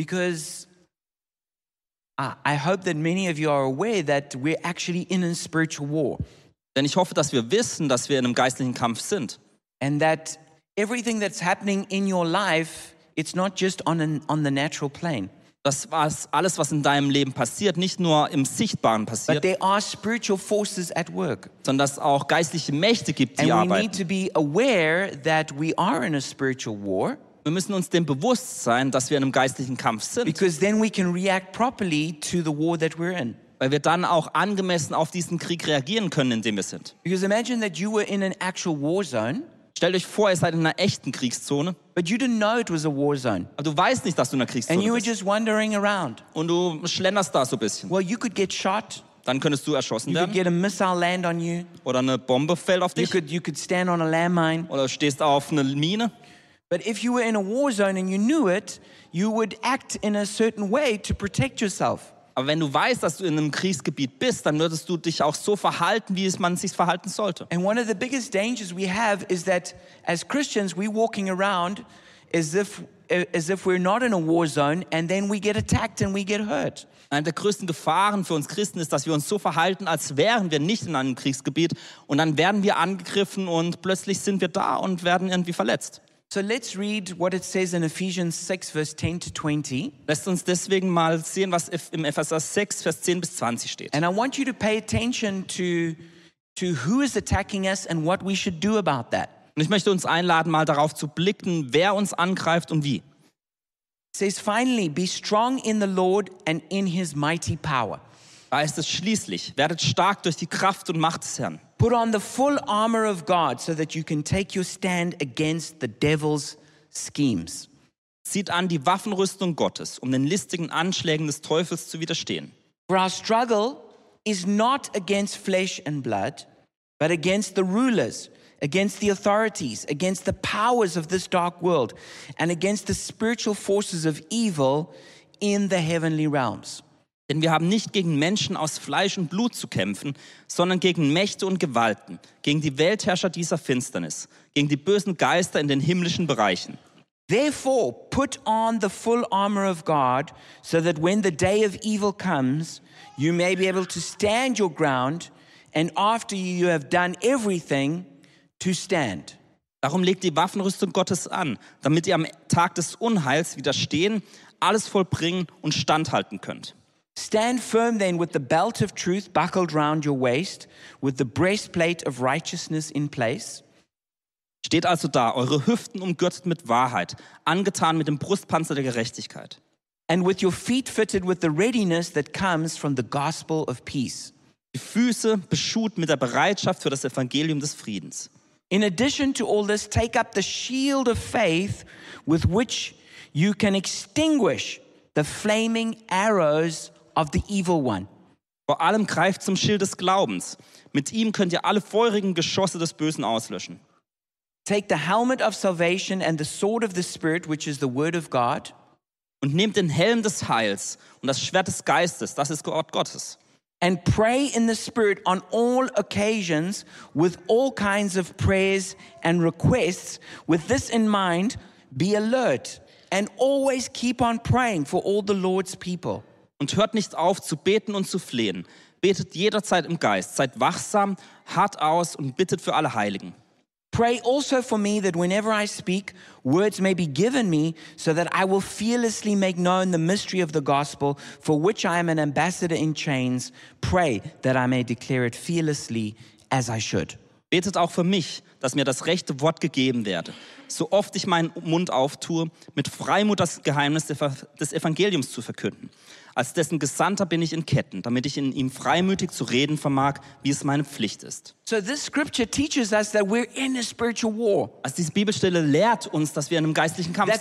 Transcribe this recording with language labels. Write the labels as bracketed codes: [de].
[en] Because I hope that many of you are aware that we're actually in a spiritual war. [de] Denn ich hoffe, dass wir wissen, dass wir in einem geistlichen Kampf sind. [en] And that everything that's happening in your life, it's not just on the natural plane. [de] Das was alles, was in deinem Leben passiert, nicht nur im Sichtbaren passiert. [en] But there are spiritual forces at work. [de] Sondern dass auch geistliche Mächte gibt, die [en] and [de] arbeiten. [en] And we need to be aware that we are in a spiritual war. [de] Wir müssen uns dem bewusst sein, dass wir in einem geistlichen Kampf sind. [en] Because then we can react properly to the war that we're in. [de] Weil wir dann auch angemessen auf diesen Krieg reagieren können, in dem wir sind. [en] Because imagine that you were in an actual war zone. [de] Stellt euch vor, ihr seid in einer echten Kriegszone. [en] But you didn't know it was a war zone. [de] Aber du weißt nicht, dass du in einer Kriegszone [en] and you were [de] bist. [en] Just wandering around. [de] Und du schlenderst da so ein bisschen. [en] Well, you could get shot. [de] Dann könntest du erschossen werden. [en] You could get a missile land on you. [de] Oder eine Bombe fällt auf dich. [en] You could stand on a landmine. [de] Oder stehst auf einer Mine. [en] But if you were in a war zone and you knew it, you would act in a certain way to protect yourself. [de] Aber wenn du weißt, dass du in einem Kriegsgebiet bist, dann würdest du dich auch so verhalten, wie es man sich verhalten sollte. [en] And one of the biggest dangers we have is that as Christians we walking around as if we're not in a war zone and then we get attacked and we get hurt. [de] Eine der größten Gefahren für uns Christen ist, dass wir uns so verhalten, als wären wir nicht in einem Kriegsgebiet und dann werden wir angegriffen und plötzlich sind wir da und werden irgendwie verletzt. [en] So let's read what it says in Ephesians 6, verse 10 to 20. [de] Lasst uns deswegen mal sehen, was im Epheser 6, Vers 10 bis 20 steht. [en] And I want you to pay attention to who is attacking us and what we should do about that. [de] Und ich möchte uns einladen, mal darauf zu blicken, wer uns angreift und wie. [en] It says, finally, be strong in the Lord and in his mighty power. [de] Da heißt es schließlich, werdet stark durch die Kraft und Macht des Herrn. [en] Put on the full armor of God so that you can take your stand against the devil's schemes. [de] Zieht an die Waffenrüstung Gottes, um den listigen Anschlägen des Teufels zu widerstehen. [en] For our struggle is not against flesh and blood, but against the rulers, against the authorities, against the powers of this dark world, and against the spiritual forces of evil in the heavenly realms. [de] Denn wir haben nicht gegen Menschen aus Fleisch und Blut zu kämpfen, sondern gegen Mächte und Gewalten, gegen die Weltherrscher dieser Finsternis, gegen die bösen Geister in den himmlischen Bereichen. [en] Therefore, put on the full armor of God, so that when the day of evil comes, you may be able to stand your ground, and after you have done everything, to stand. [de] Darum legt die Waffenrüstung Gottes an, damit ihr am Tag des Unheils widerstehen, alles vollbringen und standhalten könnt. [en] Stand firm then with the belt of truth buckled round your waist, with the breastplate of righteousness in place. [de] Steht also da, eure Hüften umgürtet mit Wahrheit, angetan mit dem Brustpanzer der Gerechtigkeit. [en] And with your feet fitted with the readiness that comes from the gospel of peace. [de] Die Füße beschuht mit der Bereitschaft für das Evangelium des Friedens. [en] In addition to all this, take up the shield of faith with which you can extinguish the flaming arrows of the evil one. [de] Vor allem greift zum Schild des Glaubens. Mit ihm könnt ihr alle feurigen Geschosse des Bösen auslöschen. [en] Take the helmet of salvation and the sword of the Spirit, which is the word of God. [de] Und nehmt den Helm des Heils und das Schwert des Geistes, das ist Wort Gottes. [en] And pray in the Spirit on all occasions with all kinds of prayers and requests. With this in mind, be alert. And always keep on praying for all the Lord's people. [de] Und hört nicht auf zu beten und zu flehen. Betet jederzeit im Geist, seid wachsam, hart aus und bittet für alle Heiligen. [en] Pray also for me that whenever I speak, words may be given me so that I will fearlessly make known the mystery of the gospel for which I am an ambassador in chains. Pray that I may declare it fearlessly as I should. [de] Betet auch für mich, dass mir das rechte Wort gegeben werde, so oft ich meinen Mund auftue, mit Freimut das Geheimnis des Evangeliums zu verkünden. Als dessen Gesandter bin ich in Ketten, damit ich in ihm freimütig zu reden vermag, wie es meine Pflicht ist. [en] So this scripture teaches us that we're in a spiritual war. [de] Also diese Bibelstelle lehrt uns, dass wir in einem geistlichen Kampf